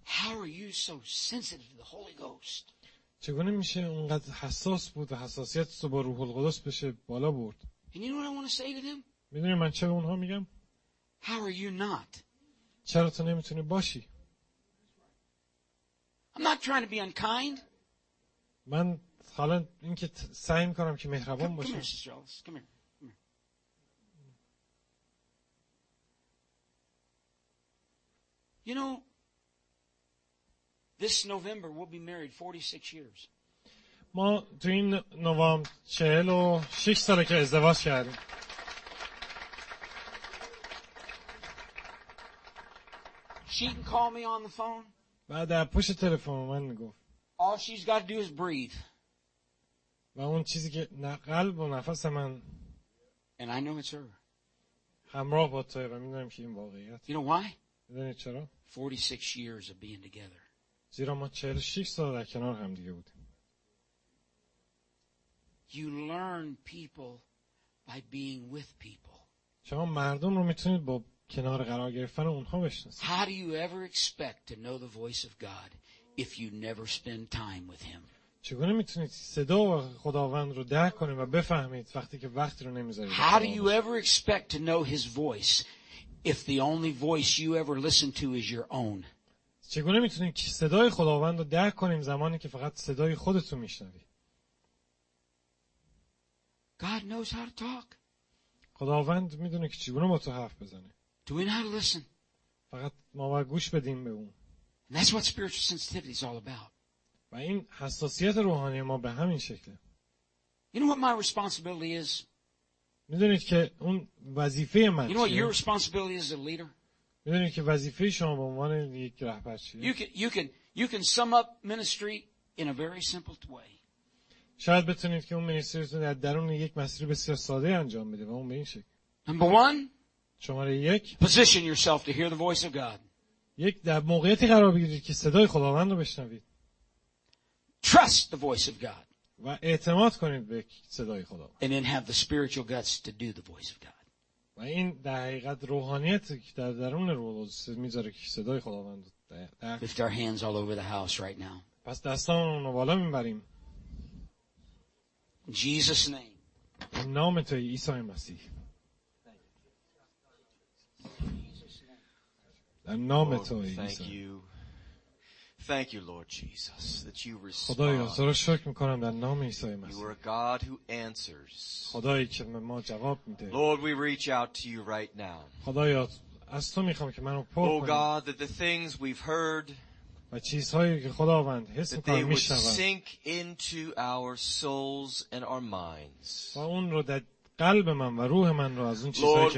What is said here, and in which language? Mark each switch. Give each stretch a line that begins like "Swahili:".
English: How are you so sensitive to the Holy Ghost?
Persian: چگونه میشه اونقدر حساس بود و حساسیت تو با روح القدس بشه بالا برد؟
English: And you know what I want to say to them?
Persian: میدونی من چه به اونها میگم؟
English: How are you not?
Persian: چرا تو نمیتونی باشی؟
English: I'm not trying to be unkind.
Persian: من حالا اینکه سعی میکنم که مهربان باشم.
English: Come here. You know, this November we'll be married 46 years.
Persian: ما تو این نوامبر 46 ساله که ازدواج کردیم.
English: She can call me on the phone.
Persian: بعد از پشت تلفن من میگفت.
English: All she's got to do is breathe.
Persian: و اون چیزی که قلب و نفس من.
English: And I know it's her.
Persian: همراه با تو و میدونم که این واقعیت.
English: You know why?
Persian: میدونی چرا؟
English: 46 years of being together.
Persian: زیرا ما 46 سال در کنار هم دیگه بودیم.
English: You learn people by being with people.
Persian: شما مردم رو میتونید با کنار قرار گرفتن اونها بشناسید.
English: How do you ever expect to know the voice of God if you never spend time with him?
Persian: چگونه میتونید صدا خداوند رو درک کنید و بفهمید وقتی که وقت رو نمیذارید؟
English: How do you ever expect to know his voice if the only voice you ever listen to is your own?
Persian: چگونه میتونیم که صدای خداوند رو درک کنیم زمانی که فقط صدای خودت رو میشنوی؟
English: God knows how to talk.
Persian: خداوند میدونه که چگونه با تو حرف بزنه.
English: Do we not listen?
Persian: فقط ما باید گوش بدیم به اون.
English: And that's what spiritual sensitivity is all about.
Persian: و این حساسیت روحانی ما به همین شکله.
English: You know what my responsibility is?
Persian: میدونید که اون وظیفه من چیه؟
English: your responsibility as a leader.
Persian: میدونید که وظیفه شما به عنوان یک رهبر چیه؟
English: You can sum up ministry in a very simple way.
Persian: شاید بتونید که اون مینیستریتون در درون یک مسیر بسیار ساده انجام بده و اون به این شکل.
English: Number one.
Persian: شماره یک.
English: Position yourself to hear the voice of God.
Persian: یک در موقعیتی قرار بگیرید که صدای خداوند رو بشنوید.
English: Trust the voice of God.
Persian: و اعتماد کنید به صدای خدا.
English: And then have the spiritual guts to do the voice of God.
Persian: و این در حقیقت روحانیتی که در درون روح القدس میذاره که صدای خداوند رو درک.
English: Lift our hands all over the house right now.
Persian: پس دستامون رو بالا میبریم.
English: Jesus name. In nome tu Isai Masih. In nome tu Isai. Thank you. Thank you, Lord Jesus, that you respond.
Persian: خدایا، سر شکر می‌کنم در نام عیسی مسیح.
English: You are a God who answers.
Persian: خدایی که به ما جواب میده.
English: Lord, we reach out to you right now.
Persian: خدایا، از تو می‌خوام که منو پر کنی.
English: Oh God, that the things we've heard.
Persian: و چیزهایی که خداوند حس می‌کنه می‌شنوند.
English: Sink into our souls and our minds.
Persian: و اون رو در قلب من و روح من رو از اون چیزهایی که